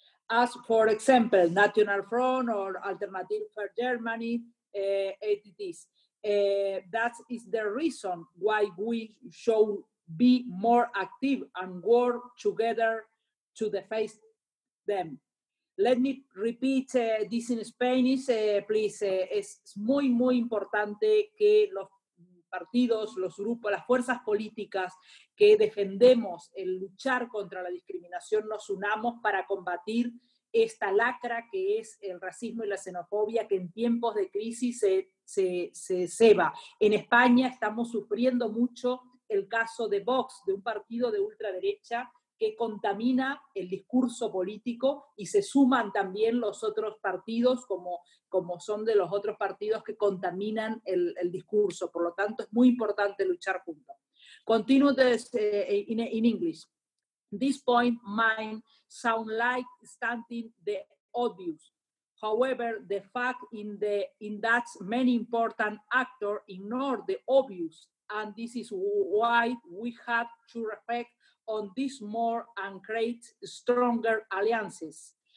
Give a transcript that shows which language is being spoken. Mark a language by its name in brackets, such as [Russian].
[English] As for example, National Front or Alternative for Germany, ATTs. That is the reason why we should be more active and work together to face them. Let me repeat this in Spanish, please. [Spanish] Es muy, muy importante que los partidos, los grupos, las fuerzas políticas que defendemos el luchar contra la discriminación nos unamos para combatir esta lacra que es el racismo y la xenofobia que en tiempos de crisis se ceba. En España estamos sufriendo mucho el caso de Vox, de un partido de ultraderecha que contamina el discurso político y se suman también los otros partidos como son de los otros partidos que contaminan el discurso. Por lo tanto, es muy importante luchar juntos. Continúo [English] in English. This point might sound like stating the obvious. However, the fact in that many important actors ignore the obvious, and this is why we have to reflect on this more and create stronger alliances.